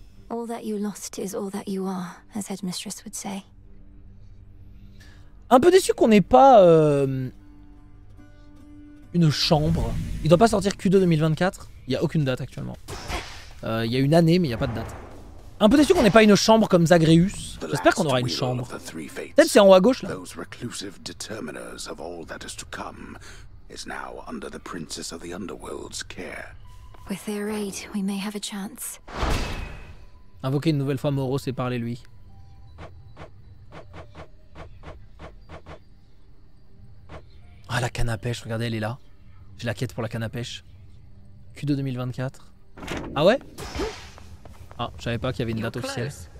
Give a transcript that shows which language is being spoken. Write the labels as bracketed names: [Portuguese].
[English] All that you lost is all that you are, as Headmistress would say. [French] Un peu déçu qu'on n'ait pas une chambre. Il ne doit pas sortir Q2 2024. Il n'y a aucune date actuellement. Il y a une année, mais il n'y a pas de date. Un peu déçu qu'on n'ait pas une chambre comme Zagreus. J'espère qu'on aura une chambre. Peut-être c'est en haut à gauche, là. [English] Those reclusive determiners of all that is to come is now under the princess of the underworld's care. With their aid, we may have a chance. [French] Invoquer une nouvelle fois Moros et parler lui. Ah, la canne à pêche, regardez, elle est là. J'ai la quête pour la canne à pêche. Q2 2024. Ah ouais? Ah, je savais pas qu'il y avait une date officielle.